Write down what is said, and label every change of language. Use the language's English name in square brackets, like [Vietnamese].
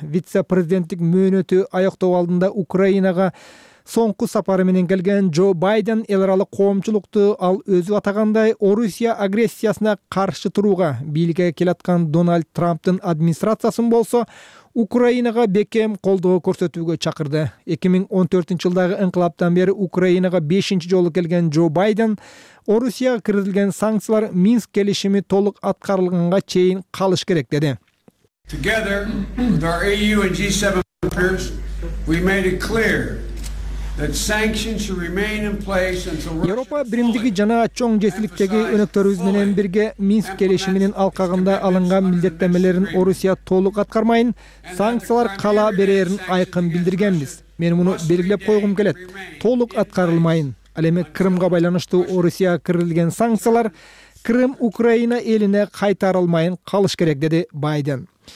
[Kyrgyz] Вице-президенттик мөөнөтү аяктоо алдында Украинага соңку сапары менен келген Джо Байден эл аралык коомчулукту ал өзү атагандай Орусия агрессиясына каршы турууга, бийликке келаткан Дональд Трамптын администрациясын болсо Украинага бекем колдоо көрсөтүүгө чакырды. 2014 жылдагы инкылаптан бери Украинага 5-нчи жолу келген Джо Байден Орусияга киргизилген санкциялар Минск келишими толук аткарылганга чейин калыш керек деди. [English] Together with our EU and G7 partners, we made it clear that sanctions should remain in place until [Kyrgyz] Европа биримдиги жана чоң жетиликтеги өнөктөрүбүз менен бирге Минск келишиминин алкагында алынган милдеттенмелерин Орусия толук аткармайын, санкциялар кала берерин айкын билдиргенбиз. Мен муну белгилеп койгум келет. Толук аткарылмайын. Ал эми Крымга байланыштуу Орусия кирилген санкциялар Крым Украина элине кайтарылмайын калыш керек деди Байден.